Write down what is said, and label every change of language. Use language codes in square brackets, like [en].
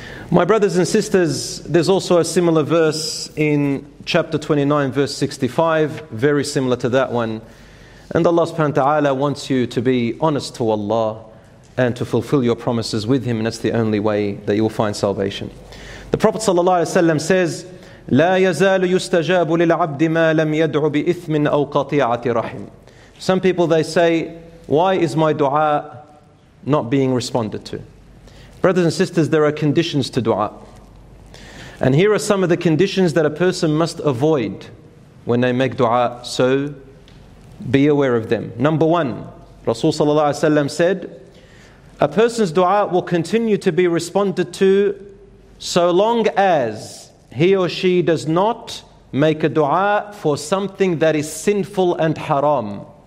[en] My brothers and sisters, there's also a similar verse in chapter 29, verse 65, very similar to that one. And Allah subhanahu wa ta'ala wants you to be honest to Allah and to fulfill your promises with Him, and that's the only way that you'll find salvation. The Prophet sallallahu alaihi wasallam says, [ar] لا يزال يستجاب للعبد ما لم يدعو بإثم أو قطيعة رحم. [en] Some people, they say, why is my dua not being responded to? Brothers and sisters, there are conditions to dua. And here are some of the conditions that a person must avoid when they make dua. So be aware of them. Number one, Rasul sallallahu alaihi wasallam said, a person's dua will continue to be responded to so long as he or she does not make a dua for something that is sinful and haram,